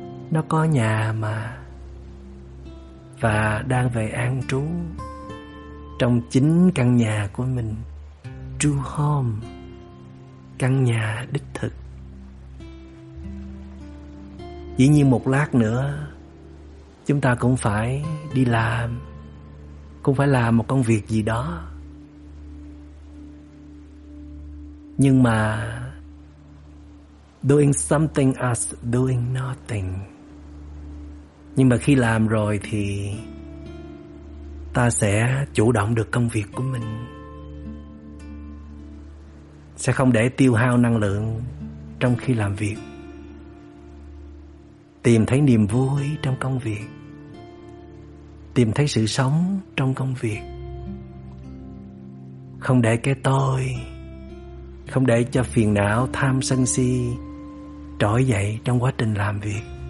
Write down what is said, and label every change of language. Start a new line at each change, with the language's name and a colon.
Vietnamese: Nó có nhà mà, và đang về an trú trong chính căn nhà của mình,
English: true home,
Vietnamese: căn nhà đích thực. Dĩ nhiên một lát nữa chúng ta cũng phải đi làm, cũng phải làm một công việc gì đó. Nhưng mà
English: doing something as doing nothing.
Vietnamese: Nhưng mà khi làm rồi thì ta sẽ chủ động được công việc của mình, sẽ không để tiêu hao năng lượng trong khi làm việc, tìm thấy niềm vui trong công việc, tìm thấy sự sống trong công việc, không để cái tôi, không để cho phiền não tham sân si trỗi dậy trong quá trình làm việc.